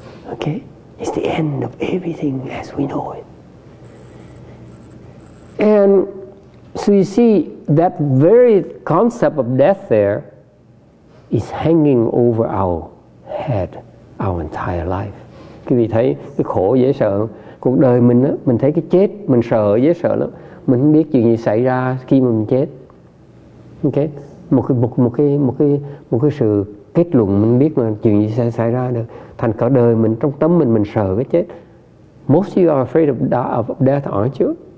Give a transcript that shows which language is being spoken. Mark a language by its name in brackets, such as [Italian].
[English] Okay? It's the end of everything as we know it. And so you see, that very concept of death there is hanging over our head, our entire life. [Vietnamese] Quý vị thấy cái khổ dễ sợ, cuộc đời mình á, mình thấy cái chết, mình sợ dễ sợ lắm. Mình không biết chuyện gì xảy ra khi mà mình chết. Okay? Một cái sự kết luận mình biết mà chuyện gì sẽ xảy ra được. Thành cả đời mình, trong tâm mình sợ cái chết. [English] Most of you are afraid of death, aren't you?